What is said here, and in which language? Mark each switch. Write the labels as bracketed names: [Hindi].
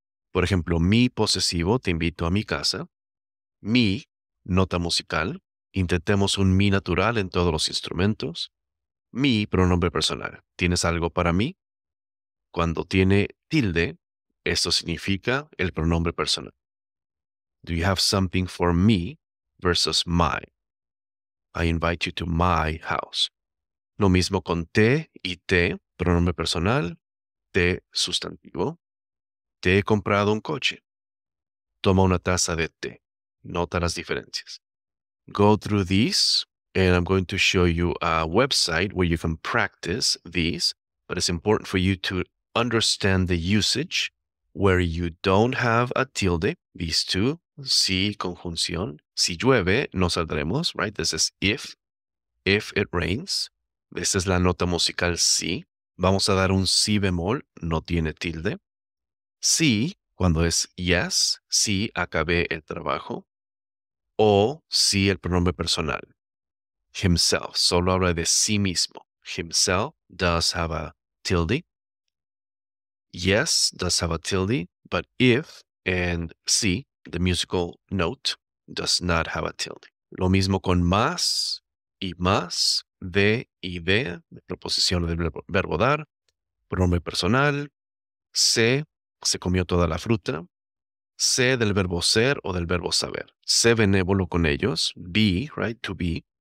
[Spanish] Por ejemplo, mi posesivo, te invito a mi casa. Mi, nota musical. Intentemos un mi natural en todos los instrumentos. Mi pronombre personal. ¿Tienes algo para mí? Cuando tiene tilde, esto significa el pronombre personal. [English] Do you have something for me versus my? I invite you to my house. [Spanish] Lo mismo con te y te, pronombre personal, te sustantivo. Te he comprado un coche. Toma una taza de té. Nota las diferencias. [English] Go through these, and I'm going to show you a website where you can practice these, but it's important for you to understand the usage where you don't have a tilde, these two, [Spanish] si conjunción, si llueve, no saldremos, [English] right? This is if it rains, this is [Spanish] la nota musical si, vamos a dar un si bemol, no tiene tilde, si, cuando es yes, si acabé el trabajo, o si el pronombre personal, himself, solo habla de sí mismo. [English] Himself does have a tilde. Yes, does have a tilde, but if and si, the musical note, does not have a tilde. [Spanish] Lo mismo con más y más, de y de, preposición del verbo dar, pronombre personal, se comió toda la fruta, Sé del verbo ser o del verbo saber. Sé benévolo con ellos. [English] Be, right? To be.